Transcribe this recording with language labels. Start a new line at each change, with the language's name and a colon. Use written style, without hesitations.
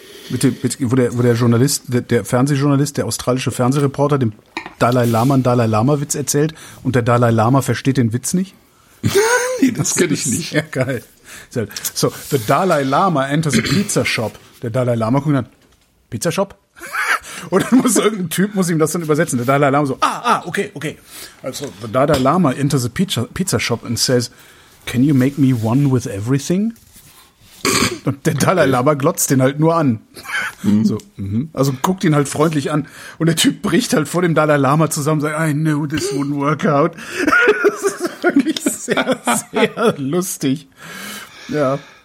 German: Wo der Journalist, der Fernsehjournalist, der australische Fernsehreporter, dem Dalai Lama einen Dalai Lama-Witz erzählt und der Dalai Lama versteht den Witz nicht? Nee, das kenne ich nicht. Ja, geil.
English: So, the Dalai Lama enters a pizza shop.
German: Der Dalai Lama guckt dann, Pizza Shop? Und dann muss irgendein Typ muss ihm das dann übersetzen. Der Dalai Lama so, okay.
English: Also, the Dalai Lama enters a pizza shop and says, can you make me one with everything?
German: Und der Dalai Lama glotzt den halt nur an. So, also guckt ihn halt freundlich an. Und der Typ bricht halt vor dem Dalai Lama zusammen und sagt,
English: I know this wouldn't work out.
German: Das ist wirklich sehr, sehr lustig. Ja.